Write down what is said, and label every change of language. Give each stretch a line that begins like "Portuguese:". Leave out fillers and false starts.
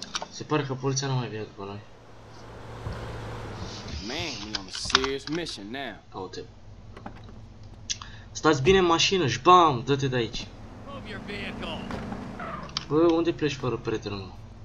Romanian: Se pare că poliția nu mai vine după noi.
English: Man, we on a serious mission now. Hold it.
Romanian: stați bine în mașină și bam, dă-te de aici. Bă, unde pleci fără prietenul meu?